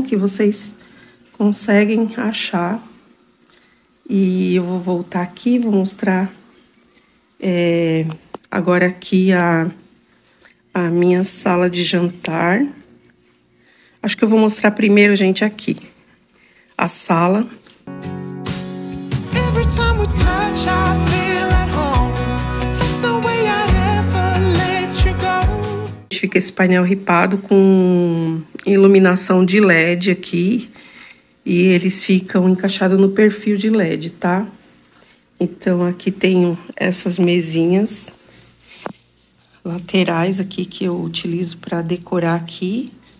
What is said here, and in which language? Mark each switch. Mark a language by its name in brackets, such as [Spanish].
[Portuguese] Que vocês conseguem achar. E eu vou voltar aqui, vou mostrar agora aqui a minha sala de jantar. Acho que eu vou mostrar primeiro, gente, aqui a sala. [English] Every time we touch, I feel at home. There's no way I'd ever let you go. [Portuguese] Fica esse painel ripado com iluminação de LED aqui. E eles ficam encaixados no perfil de LED, tá? Então aqui tenho essas mesinhas laterais aqui que eu utilizo para decorar aqui.